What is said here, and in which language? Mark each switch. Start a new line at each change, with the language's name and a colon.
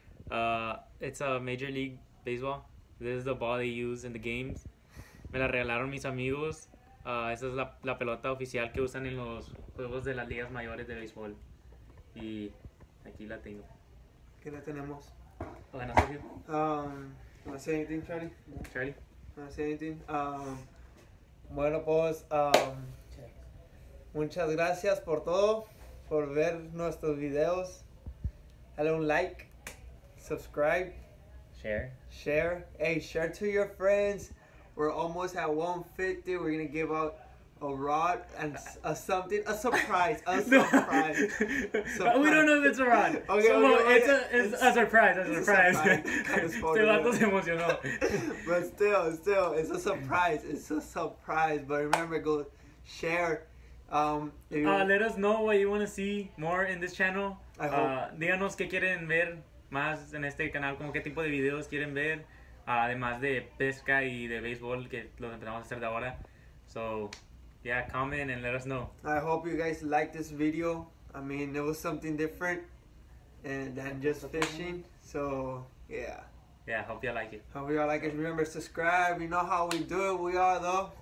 English: It's a Major League Baseball. This is the ball they use in the games.
Spanish: Me la regalaron mis amigos. Esa es la pelota oficial que usan en los juegos de las ligas mayores de béisbol. Y aquí la tengo. ¿Qué la tenemos? Bueno, Sergio. ¿Puedo decir algo, Charlie? Charlie. ¿Puedo decir algo? Bueno, pues, muchas gracias por todo, por ver nuestros videos. Dale un like, subscribe.
English: Share. Hey, share to your friends. We're almost at 150. We're going to give out a rod and a something, a surprise. A surprise. Surprise. We don't know if it's a rod. Okay, so okay, it's a surprise. Kind of but still, it's a surprise. It's a surprise. But remember, go share. Let us know what you want to see more in this channel. I hope.
Spanish: Díganos qué quieren ver más en este canal, como qué tipo de videos quieren ver, además de pesca y de béisbol, que los empezamos a hacer de ahora.
English: So, yeah, comment and let us know. I hope you guys like this video. I mean, it was something different than just fishing. So, yeah. Yeah, hope you like it. Hope you all like it. Remember, subscribe. You know how we do it. We are the